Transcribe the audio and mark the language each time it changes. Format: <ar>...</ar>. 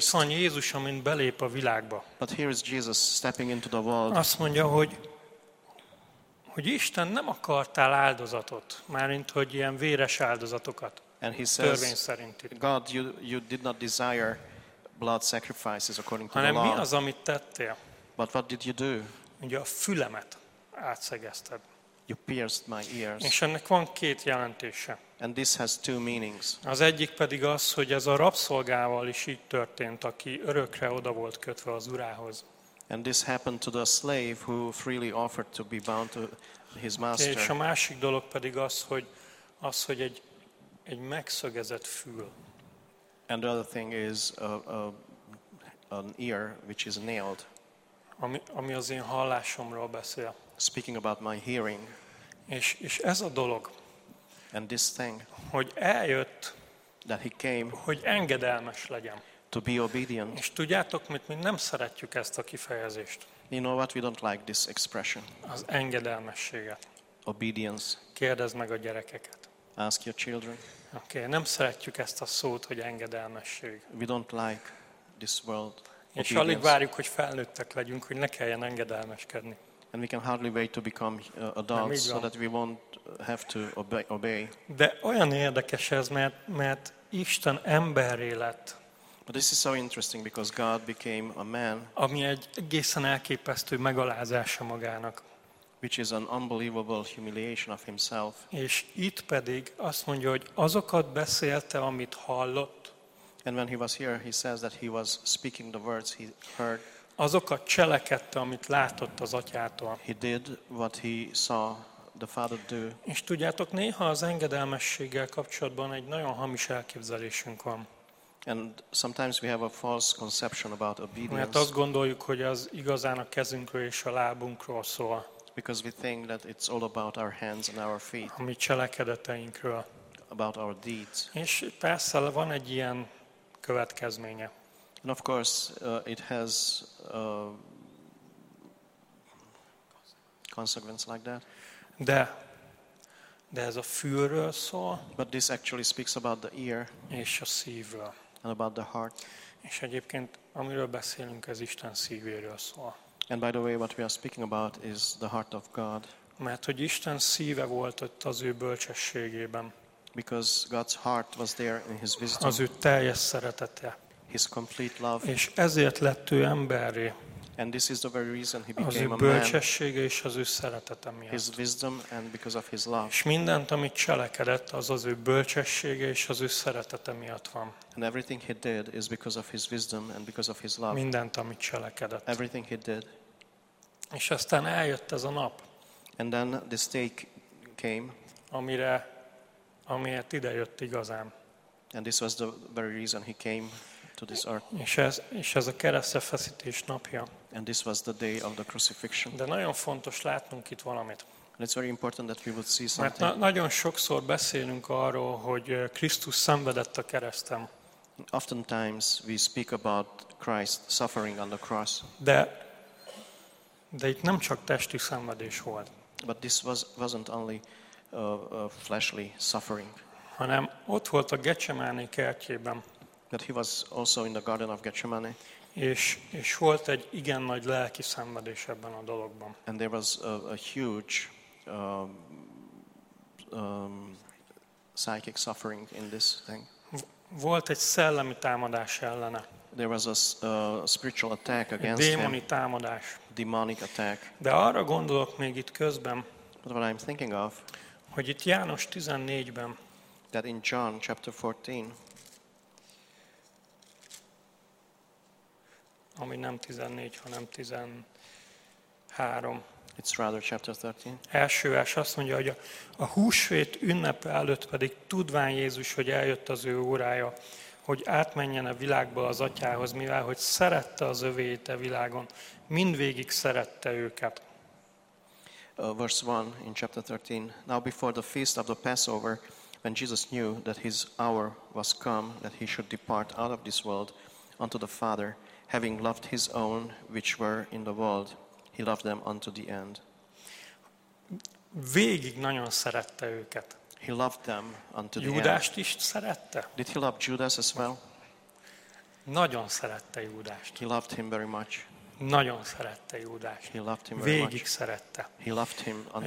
<hu>Itt van Jézus, amint belép a világba.</hu> <en>But here is Jesus stepping into the world.</en> <hu>Azt mondja, hogy Isten nem akartál áldozatot, mármint hogy ilyen véres áldozatokat.</hu> <en>And he says,</en> <hu>törvény szerint.</hu> <en>God, you did not desire blood sacrifices according to the law.</en> <hu>Hanem mi az, amit tettél?</hu> <en>But what did you do?</en> <hu>Ugye a fülemet átszegezted.</hu> <en>You pierced my ears.</en> <hu>És ennek van két jelentése.</hu> <en>And this has two meanings.</en> <hu>Az egyik pedig az, hogy ez a rabszolgával is így történt, aki örökre oda volt kötve az urához.</hu> <en>And this happened to the slave who freely offered to be bound to his master.</en> <hu>És a másik dolog pedig az, hogy egy megszögezett fül.</hu> <en>And the other thing is an ear which is nailed.</en> <hu>Ami az én hallásomról beszél.</hu> <en>Speaking about my hearing.</en> <hu>És ez a dolog.</hu> <en>And this thing,</en> <hu>hogy eljött,</hu> <en>that he came,</en> <hu>hogy engedelmes legyen,</hu> <en>to be obedient.</en> <hu>És tudjátok mit, mi nem szeretjük ezt a kifejezést.</hu> <en>You know what, we don't like this expression.</en> <hu>Az engedelmességet.</hu> <en>Obedience.</en> <hu>Kérdezd meg a gyerekeket.</hu> <en>Ask your children.</en> <hu>Okay, nem szeretjük ezt a szót, hogy engedelmesség.</hu> <en>We don't like this word.</en> <hu>És alig várjuk, hogy felnőttek legyünk, hogy ne kelljen engedelmeskedni.</hu> <en>And we can hardly wait to become adults so that we won't have to obey.</en> <hu>De olyan érdekes ez, mert Isten emberré lett.</hu> <en>But this is so interesting because God became a man.</en> <hu>Ami egy egészen elképesztő megalázása magának.</hu> <en>Which is an unbelievable humiliation of himself.</en> <hu>És itt pedig azt mondja, hogy azokat beszélte, amit hallott.</hu> <en>And when he was here, he says that he was speaking the words he heard.</en> <hu>Azokat cselekedte, amit látott az atyától.</hu> <en>He did what he saw the father do.</en> <hu>És tudjátok, néha az engedelmességgel kapcsolatban egy nagyon hamis elképzelésünk van.</hu> <en>And sometimes we have a false conception about obedience.</en> <hu>Mert azt gondoljuk, hogy az igazán a kezünkről és a lábunkról szól.</hu> <en>Because we think that it's all about our hands and our feet.</en> <hu>A mi cselekedeteinkről.</hu> <en>About our deeds.</en> <hu>És persze van egy ilyen következménye.</hu> <en>And of course it has consequences like that.</en> <hu>De ez a fülről szól.</hu> <en>But this actually speaks about the ear.</en> <hu>És a szívről.</hu> <en>And about the heart.</en> <hu>És egyébként amiről beszélünk, ez Isten szívéről szól.</hu> <en>And by the way, what we are speaking about is the heart of God.</en> <hu>Mert hogy Isten szíve volt ott az ő bölcsességében.</hu> <en>Because God's heart was there in his wisdom.</en> <hu>Az ő teljes szeretete.</hu> <en>His complete love.</en> <hu>És ezért lett ő emberré.</hu> <en>And this is the very reason he became a man.</en> <hu>Az ő bölcsessége és az ő szeretete miatt.</hu> <en>His wisdom and because of his love.</en> <hu>És mindent, amit cselekedett, az ő bölcsessége és az ő szeretete miatt van.</hu> <en>And everything he did is because of his wisdom and because of his love.</en> <hu>Mindent, amit cselekedett.</hu> <en>Everything he did.</en> <hu>És aztán eljött ez a nap.</hu> <en>And then this day came.</en> <hu>Amiért ide jött igazán.</hu> <en>And this was the very reason he came. To this earth.</en> <hu>És ez a keresztre feszítés napja.</hu> <en>And this was the day of the crucifixion.</en> <hu>De nagyon fontos látnunk itt valamit.</hu> <en>And it's very important that we would see something.</en> <hu>Mert nagyon sokszor beszélünk arról, hogy Krisztus szenvedett a kereszten.</hu> <en>Oftentimes we speak about Christ suffering on the cross.</en> <hu>De itt nem csak testi szenvedés volt.</hu> <en>But this wasn't only fleshly suffering.</en> <hu>Hanem ott volt a Getsemáné kertjében.</hu> <en>That he was also in the Garden of Gethsemane.</en> <hu>És volt egy igen nagy lelki szenvedés ebben a dologban.</hu> <en>And there was a huge psychic suffering in this thing.</en> <hu>Volt egy szellemi támadás ellene.</hu> <en>There was a spiritual attack against him.</en> <hu>Démoni támadás.</hu> <en>Demonic attack.</en> <hu>De arra gondolok még itt közben.</hu> <en>But what I'm thinking of.</en> <hu>Hogy itt János 14-ben.</hu> <en>That in John chapter 14.</en> <hu>Ami nem 14, hanem 13.</hu> <en>It's rather chapter 13.</en> <hu>Első vers azt mondja, hogy a húsvét ünnepe előtt pedig tudván Jézus, hogy eljött az ő órája, hogy átmenjen a világba az atyához, mivel hogy szerette az övéit a világon, mindvégig szerette őket.</hu> <en>Verse 1 in chapter 13. Now before the feast of the Passover, when Jesus knew that his hour was come, that he should depart out of this world unto the Father, having loved his own which were in the world, he loved them unto the end.</en> <hu>Végig nagyon szerette őket.</hu> <en>He loved them unto the</en> <hu>Júdást</hu> <en>end.</en> <hu>Is szerette.</hu> <en>Did he love Judas as well?</en> <hu>Nagyon szerette Júdást.</hu> <en>He loved him very much.</en> <hu>Nagyon szerette Júdást.</hu> <en>He loved him</en> <hu>végig</hu> <en>very much.</en> <hu>Végig szerette.</hu> <en>He loved him unto the end.</en>